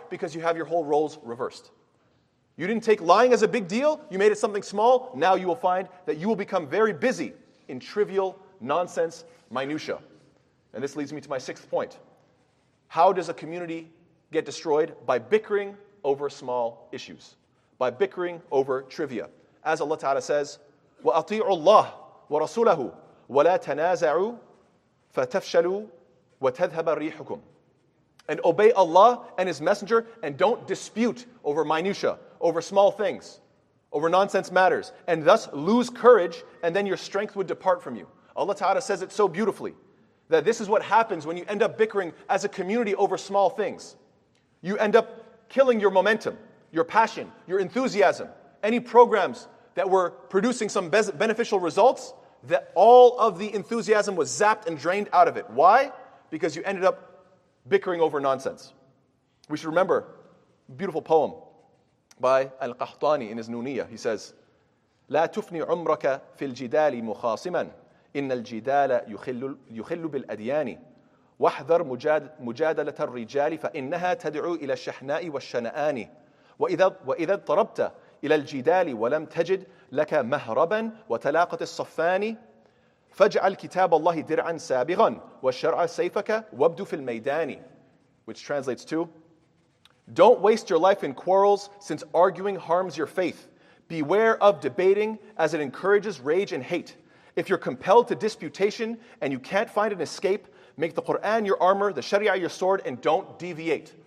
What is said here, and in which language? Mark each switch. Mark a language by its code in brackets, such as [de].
[en] Because you have your whole roles reversed. You didn't take lying as a big deal, you made it something small, now you will find that you will become very busy in trivial nonsense minutia. And this leads me to my sixth point. How does a community get destroyed? By bickering over small issues. By bickering over trivia. As Allah Ta'ala says, [ar] وَأَطِيعُوا اللَّهُ وَرَسُولَهُ وَلَا تَنَازَعُوا فَتَفْشَلُوا وَتَذْهَبَ رِيحُكُمْ. [en] And obey Allah and His Messenger, and don't dispute over minutia, over small things, over nonsense matters, and thus lose courage, and then your strength would depart from you. Allah Ta'ala says it so beautifully, that this is what happens when you end up bickering as a community over small things. You end up killing your momentum, your passion, your enthusiasm, any programs that were producing some beneficial results, that all of the enthusiasm was zapped and drained out of it. Why? Because you ended up bickering over nonsense. We should remember a beautiful poem by Al-Qahtani in his Nuniyah. He says, [ar] لا تفني عمرك في الجدال مخاصما إن الجدال يخل بالأديان واحذر مجادلة الرجال فإنها تدعو إلى الشحناء والشنآن وإذا اضطربت إلى الجدال ولم تجد لك مهربا وتلاقت الصفان فاجعل كتاب الله درعا سابغا والشرع سيفك وابدو في الميدان. [en] Which translates to, don't waste your life in quarrels, since arguing harms your faith. Beware of debating, as it encourages rage and hate. If you're compelled to disputation and you can't find an escape, make the Qur'an your armor, the sharia your sword, and don't deviate.